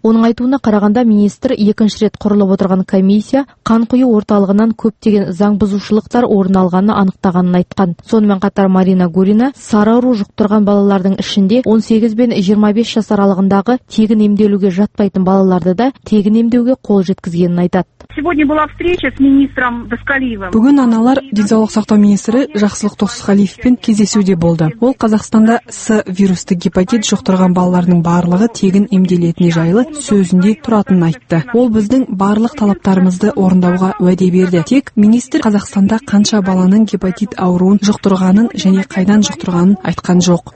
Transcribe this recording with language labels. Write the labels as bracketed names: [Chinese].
[Kazakh] Оның айтуына қарағанда министр екінші рет құрылып отырған комиссия қан құю орталығынан көптеген заңбұзушылықтар орын алғанын анықтағанын айтқан. Сонымен қатар Марина Гурина сары ауру жұқтырған балалардың ішінде 18 бен 25 жас аралығындағы тегін емделуге жатпайтын балаларды да тегін емдеуге қол жеткізгенін айтады. [Russian] Сегодня была встреча с министром [Kazakh] Бүгін аналар денсаулық сақтау министрі Жақсылық Тосқалиевпен кездесуде болды. Ол Қазақстанда С вирусты гепатит жұқтырған балалардың барлығы тегін емделетіні жайлы сөзінде тұратынын айтты. Ол біздің барлық талаптарымызды орындауға уәде берді. Тек министр Қазақстанда қанша баланың гепатит ауруын жұқтырғанын және қайдан жұқтырғанын айтқан жоқ.